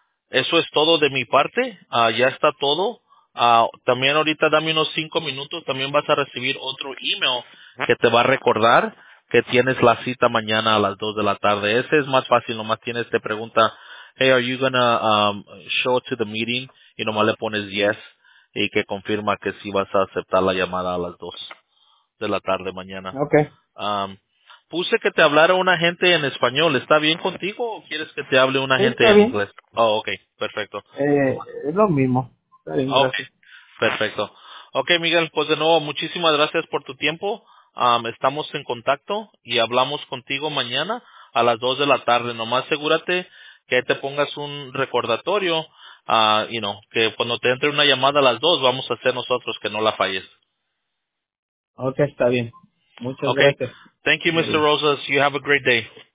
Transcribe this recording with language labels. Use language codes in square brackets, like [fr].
[es] Eso es todo de mi parte. Ya está todo. También ahorita dame unos 5 minutos. También vas a recibir otro email que te va a recordar que tienes la cita mañana a las 2 de la tarde. Ese es más fácil. Nomás tienes de pregunta [en] hey, are you going to show to the meeting? [es] Y nomás le pones yes y que confirma que sí vas a aceptar la llamada a las 2 de la tarde mañana. Okay. Puse que te hablara un agente en español. ¿Está bien contigo o quieres que te hable un agente en inglés? Oh, okay, perfecto. Es lo mismo. Okay. Perfecto. Okay, Miguel, pues de nuevo, muchísimas gracias por tu tiempo. Estamos en contacto y hablamos contigo mañana a las 2 de la tarde. Nomás asegúrate que te pongas un recordatorio, que cuando te entre una llamada a las 2, vamos a hacer nosotros que no la falles. Ok, está bien. Muchas gracias. [en] Thank you, Mr. Rosas. You have a great day.